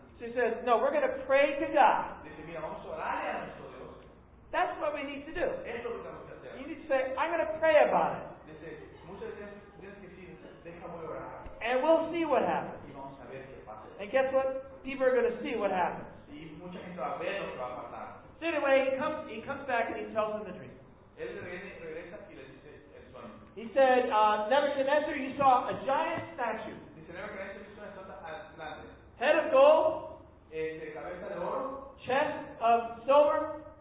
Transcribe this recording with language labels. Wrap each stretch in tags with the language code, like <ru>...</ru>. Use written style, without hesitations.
<en>She says, no, we're going to pray to God.</en> <es>Dice, mira, vamos a orarle a nuestro Dios.</es> <en>That's what we need to do.</en> <es>Esto es lo que tenemos que hacer.</es> <en>You need to say, I'm going to pray about it.</en> <es>Dice, muchas veces tienes que decir, déjame orar.</es> <en>And we'll see what happens.</en> <es>Y vamos a ver qué pasa.</es> <en>And guess what? People are going to see what happens.</en> <es>Y mucha gente va a ver lo que va a pasar.</es> <en>So anyway, he comes back and he tells them the dream.</en> <es>Él regresa y les dice el sueño.</es> <en>He said, Nebuchadnezzar, you saw a giant statue. Dice, Nebuchadnezzar, you saw a giant statue. Head of gold.</en> <es>Este, cabeza de oro.</es> <en>Chest of silver.</en>